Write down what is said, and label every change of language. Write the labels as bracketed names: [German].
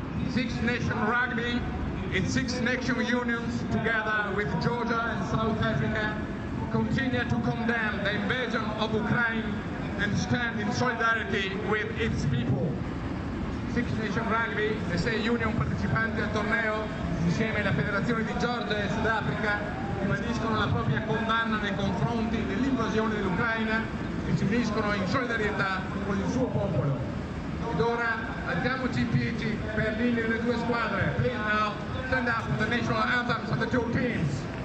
[English] Six Nation Rugby and Six Nation Unions together with Georgia and South Africa continue to condemn the invasion of Ukraine and stand in solidarity with its people. [Italian] Six Nation Rugby, le sei union partecipanti al torneo, insieme alla Federazione di Georgia e Sudafrica, ribadiscono la propria condanna nei confronti dell'invasione dell'Ucraina e si uniscono in solidarietà con il suo popolo. Ed ora alziamoci in piedi per l'inno delle due squadre. [English] Please now stand up for the national anthems of the two teams.